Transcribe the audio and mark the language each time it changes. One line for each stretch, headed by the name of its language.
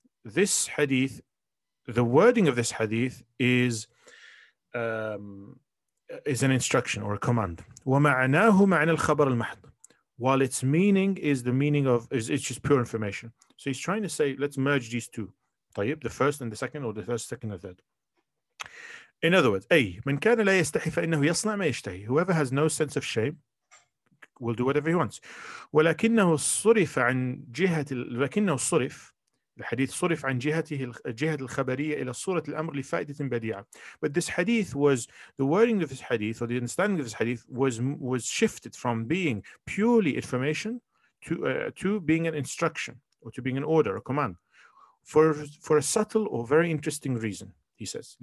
English: This hadith, the wording of this hadith is an instruction or a command.
Arabic: وَمَعْنَاهُ مَعْنَى الْخَبَرَ الْمَحْضِ.
English: While its meaning is the meaning of, it's just pure information. So he's trying to say, let's merge these two. طيب, the first and the second, or the first, second, and third. In other words,
Arabic: أي, مَنْ كَانَ لَا يَسْتَحِي فَإِنَّهُ يَصْنَعْ مَا يَشْتَهِي.
English: Whoever has no sense of shame will do whatever he wants.
Arabic: وَلَكِنَّهُ صُرِفْ عَنْ جِهَةِ لَكِنَّهُ صُرِفْ الحديث صرف عن جهته الجهة الخبرية إلى صورة الأمر لفائدة بديعة.
English: But this hadith was, the wording of this hadith, or the understanding of this hadith, was shifted from being purely information to being an instruction, or to being an order, a command, for a subtle or very interesting reason, he says.